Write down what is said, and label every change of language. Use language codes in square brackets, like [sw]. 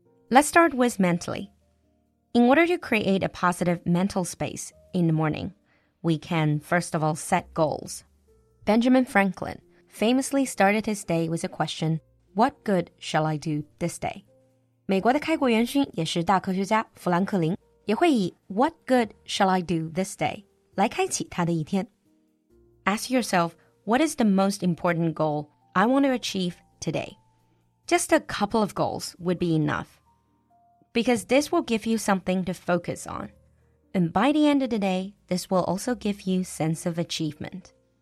[en] Let's start with mentally. In order to create a positive mental space in the morning, we can, first of all, set goals. Benjamin Franklin famously started his day with a question, "What good shall I do this day?" [zh] 美国的开国元勋也是大科学家富兰克林也会以 [en] "What good shall I do this day?" [zh] 来开启他的一天。 [en] Ask yourself, what is the most important goal I want to achieve today? Just a couple of goals would be enough. Because this will give you something to focus on. And by the end of the day, this will also give you a sense of achievement.